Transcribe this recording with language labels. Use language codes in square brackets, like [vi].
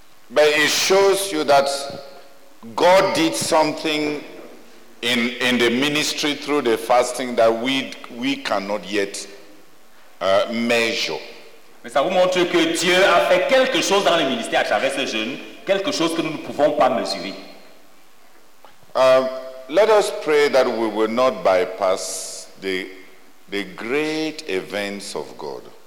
[en] But it shows you that God did something in the ministry through the fasting that we cannot yet measure. [fr] Mais ça vous montre que Dieu a fait quelque chose dans le ministère à travers ce jeûne, quelque chose que nous ne pouvons pas mesurer. [en] Let us pray that we will not bypass the great events of God.